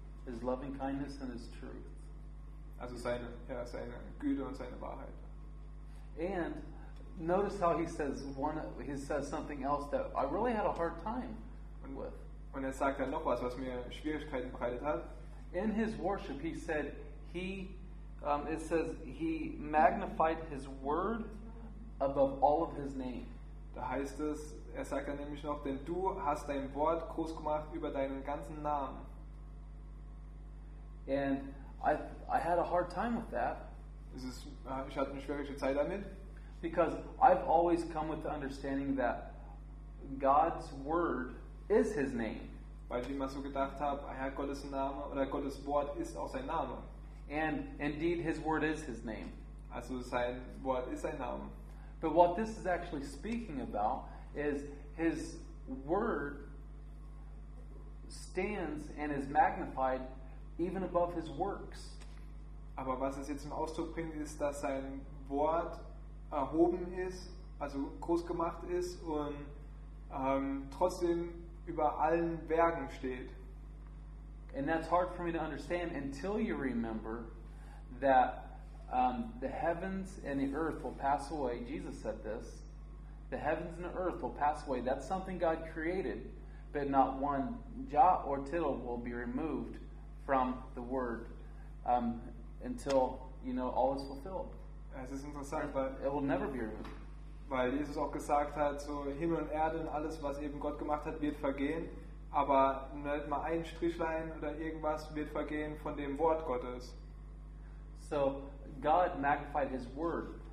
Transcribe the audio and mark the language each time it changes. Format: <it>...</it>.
<en>His loving kindness and his truth.</en> <de>Also seine Güte und seine Wahrheit.</de> <en>And notice how he says something else that I really had a hard time with.</en> <de>Und er sagt dann noch was mir Schwierigkeiten bereitet hat.</de> <en>In his worship, he said he magnified his word above all of his name.</en> <de>Da heißt es, Er sagt dann nämlich noch, denn du hast dein Wort groß gemacht über deinen ganzen Namen.</de> <en>And I had a hard time with that.</en> <de>Ich hatte eine schwierige Zeit damit.</de> <en>Because I've always come with the understanding that God's word is his name.</en> <de>Weil ich immer so gedacht habe, Herr, Gottes Name oder Gottes Wort ist auch sein Name.</de> <en>And indeed his word is his name.</en> <de>Also sein Wort ist sein Name.</de> <en>But what this is actually speaking about is his word stands and is magnified even above his works.</en> <de>Aber was es jetzt im Ausdruck bringt, ist, dass sein Wort erhoben ist, also groß gemacht ist und trotzdem über allen Werken steht.</de> <en>And that's hard for me to understand until you remember that the heavens and the earth will pass away. Jesus said this. The heavens and the earth will pass away. That's something God created, but not one jot or tittle will be removed from the word until, you know, all is fulfilled.</en> <de>Es ist interessant, weil</de> <en>it will never be removed.</en> <de>Weil Jesus auch gesagt hat, so Himmel und Erde und alles, was eben Gott gemacht hat, wird vergehen, aber nicht mal ein Strichlein oder irgendwas wird vergehen von dem Wort Gottes.</de> <en>So God magnified his word.</en>